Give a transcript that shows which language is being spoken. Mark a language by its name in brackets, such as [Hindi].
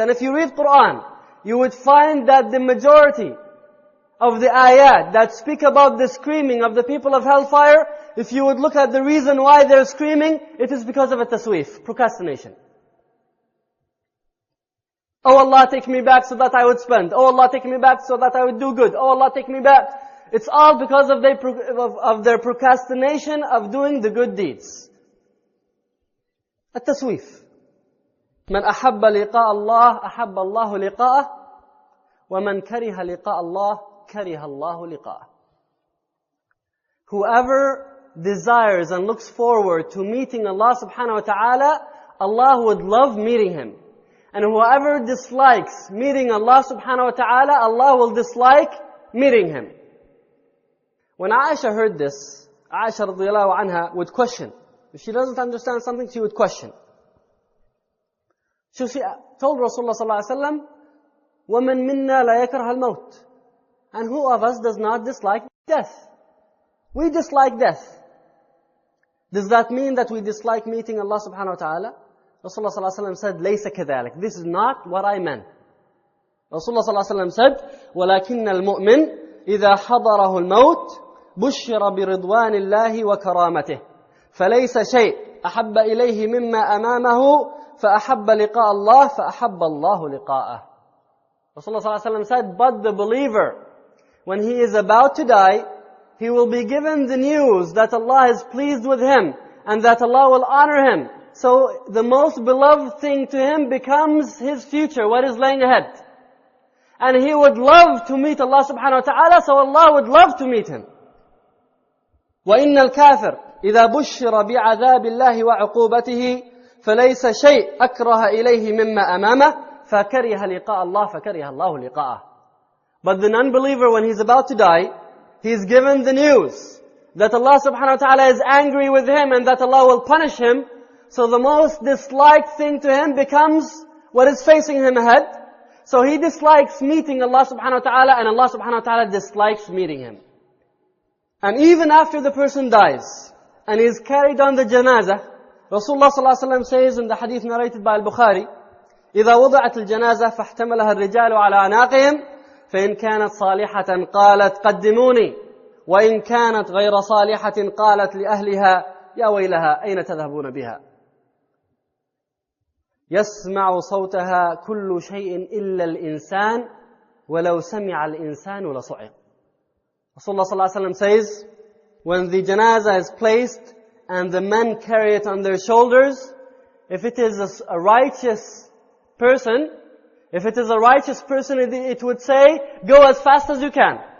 [English] And if you read Quran, you would find that the majority of the ayat that speak about the screaming of the people of hellfire, if you would look at the reason why they're screaming, it is because of a taswif, procrastination. Oh Allah, take me back so that I would spend. Oh Allah, take me back so that I would do good. Oh Allah, take me back. It's all because of their procrastination of doing the good deeds. A taswif. [Arabic] من أحب لقاء الله أحب الله لقاءه ومن كره لقاء الله كره الله لقاءه. [English] Whoever desires and looks forward to meeting Allah subhanahu wa ta'ala, Allah would love meeting him. And whoever dislikes meeting Allah subhanahu wa ta'ala, Allah will dislike meeting him. When Aisha heard this, Aisha radiallahu anha would question. If she doesn't understand something, she would question. So she told Rasulullah sallallahu alayhi wa sallam, [Arabic] وَمَن مِنَّا لَا يَكْرَهَ الْمَوْتِ. [English] And who of us does not dislike death? We dislike death. Does that mean that we dislike meeting Allah subhanahu wa ta'ala? Rasulullah sallallahu alayhi wa sallam said, [Arabic] لَيْسَ كَذَلَكَ. [English] This is not what I meant. Rasulullah sallallahu alayhi wa sallam said, [Arabic] وَلَكِنَّ الْمُؤْمِنِ إِذَا حَضَرَهُ الْمَوْتِ بُشِّرَ بِرِضْوَانِ اللَّهِ وَكَرَامَتِهِ فَلَيْسَ شَيْءٍ أَحَبَّ إِلَيْهِ مِمَّا أَمَامَهُ فَأَحَبَّ لِقَاءَ اللَّهِ فَأَحَبَّ اللَّهُ لِقَاءَهُ. [English] Rasulullah sallallahu alayhi wa sallam said, but the believer, when he is about to die, he will be given the news that Allah is pleased with him and that Allah will honor him. So the most beloved thing to him becomes his future, what is laying ahead. And he would love to meet Allah subhanahu wa ta'ala, so Allah would love to meet him. [Arabic] وَإِنَّ الْكَافِرُ إِذَا بُشِّرَ بِعَذَابِ اللَّهِ وَعُقُوبَتِهِ فَلَيْسَ شَيْءٍ أَكْرَهَ إِلَيْهِ مِمَّا أَمَامَهِ فَكَرِهَ لِقَاءَ اللَّهِ فَكَرِهَ اللَّهُ لِقَاءَهِ. [English] But the non-believer, when he's about to die, he's given the news that Allah subhanahu wa ta'ala is angry with him and that Allah will punish him. So the most disliked thing to him becomes what is facing him ahead. So he dislikes meeting Allah subhanahu wa ta'ala, and Allah subhanahu wa ta'ala dislikes meeting him. And even after the person dies and is carried on the janazah, Rasulullah sallallahu alayhi wa sallam says in the hadith narrated by al-Bukhari, [Arabic] إِذَا وُضِعَتِ الْجَنَازَةِ فَاحْتَمَلَهَا الرِّجَالُ عَلَىٰ أَنَاقِهِمْ فَإِنْ كَانَتْ صَالِحَةً قَالَتْ قَدِّمُونِي وَإِنْ كَانَتْ غَيْرَ صَالِحَةٍ قَالَتْ لِأَهْلِهَا يَا وَيْلَهَا أَيْنَ تَذَهَبُونَ بِهَا يَسْمَعُ صَوْتَهَا كُلُّ شَيْءٍ إِلَّا الْإِنسَانِ وَلَوْ سَمِعَ الْإِنسَانُ لَصُعِقْ. [English] Rasulullah sallallahu alayhi wa sallam says, when the janazah is placed and the men carry it on their shoulders, if it is a righteous person, if it is a righteous person, it would say, go as fast as you can.